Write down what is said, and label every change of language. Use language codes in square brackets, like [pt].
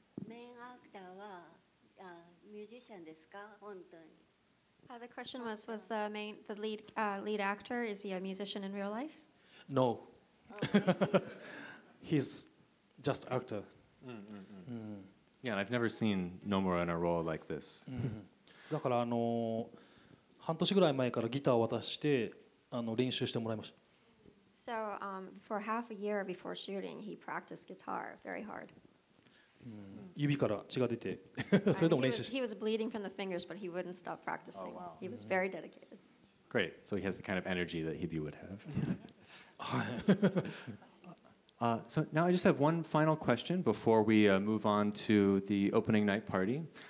[ja] Main actor wa musician desu ka, hontou ni? [en] The question was the main, the lead, lead actor, is he a musician in real life? No. He's just actor. Yeah, I've never seen Nomura in a role like this. [ja] だから半年ぐらい前からギターを渡して練習してもらいました。 [en] So, for half a year before shooting, he practiced guitar very hard. [ja] 指から血が出て、それでも練習して。 [en] He was bleeding from the fingers, but he wouldn't stop practicing. Oh, wow. He was very dedicated. Great. So he has the kind of energy that Hibi would have. So now I just have one final question before we move on to the opening night party.